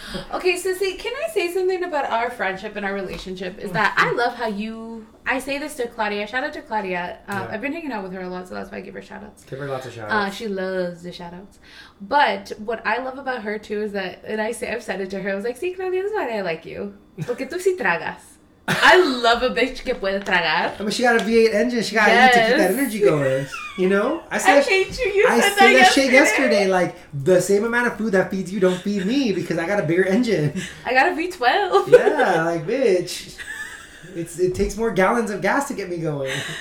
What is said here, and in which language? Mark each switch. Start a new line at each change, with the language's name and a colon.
English: Okay, so see, can I say something about our friendship and our relationship? Is that I love how you... I say this to Claudia. Shout out to Claudia. Yeah. I've been hanging out with her a lot, so that's why I give her shout outs. Give her lots of shout outs. She loves the shout outs. But what I love about her, too, is that... And I've said it to her. I was like, see, Claudia, that's why I like you.
Spanish: Porque tú sí tragas.
English: I love a bitch
Spanish: que puede tragar.
English: I mean, she got a V8 engine. She got to eat to keep that energy going. You know? I said that shit yesterday. Like, the same amount of food that feeds you don't feed me because I got a bigger engine. I got a V12. Yeah, like, bitch. It takes more gallons of gas to get me going.